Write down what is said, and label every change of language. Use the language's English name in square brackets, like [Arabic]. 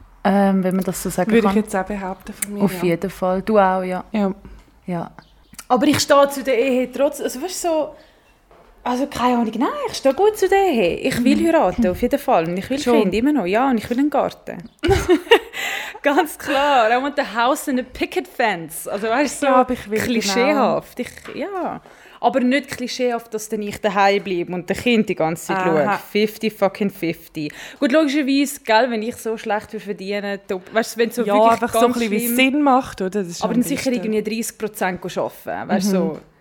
[German] Wenn man das so sagen würde kann. Würde ich jetzt auch behaupten von mir. Auf jeden Fall. Du auch, ja. Ja. Ja. Aber ich stehe zu der Ehe trotzdem. Also, weißt du, so. Also, keine Ahnung. Nein, ich stehe gut zu der Ehe. Ich will heiraten, auf jeden Fall. Und ich will Kind, immer noch. Ja, und ich will einen Garten. Ganz klar. [English] I want the house and a picket fence. [German] Also, weißt du, so ja, ich will klischeehaft. Genau. Ich, ja. Aber nicht klischeehaft, dass dann ich daheim bleibe und der Kind die ganze Zeit schaue. 50 fucking 50. Gut, logischerweise, gell, wenn ich so schlecht verdiene, weißt du, wenn so ja, wirklich einfach ganz so ein bisschen schlimm, wie es Sinn macht, oder? Das ist aber dann sicher irgendwie 30% arbeiten, weißt du.